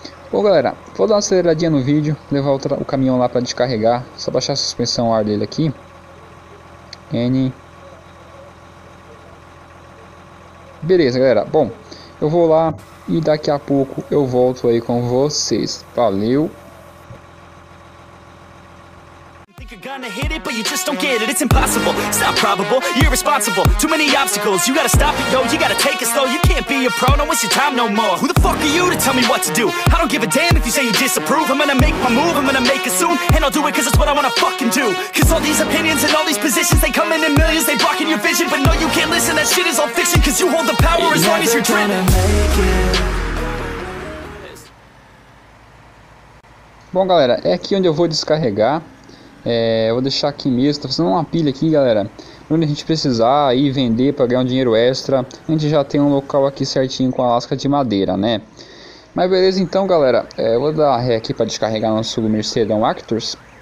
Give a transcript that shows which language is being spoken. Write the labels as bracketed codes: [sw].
[pt] Bom, galera, vou dar uma aceleradinha no vídeo. Levar o caminhão lá para descarregar. Só baixar a suspensão ar dele aqui. N. Beleza, galera. Bom, eu vou lá e daqui a pouco eu volto aí com vocês. Valeu. [en] Gonna hit it, but you just don't get it. It's impossible, it's not probable, you're irresponsible. Too many obstacles, you gotta stop it, yo. You gotta take it slow. You can't be a pro, no, it's your time no more. Who the fuck are you to tell me what to do? I don't give a damn if you say you disapprove. I'm gonna make my move, I'm gonna make it soon, and I'll do it cause it's what I wanna fucking do. Cause all these opinions and all these positions, they come in millions, they blocking your vision. But no, you can't listen, that shit is all fiction. Cause you hold the power as long as you're dreaming. [pt] Bom, galera, é aqui onde eu vou descarregar. Eu vou deixar aqui mesmo. Tá fazendo uma pilha aqui, galera. Quando a gente precisar aí vender para ganhar um dinheiro extra, a gente já tem um local aqui certinho com a lasca de madeira, né? Mas beleza, então, galera. Eu vou dar ré aqui para descarregar nosso Mercedão Actros.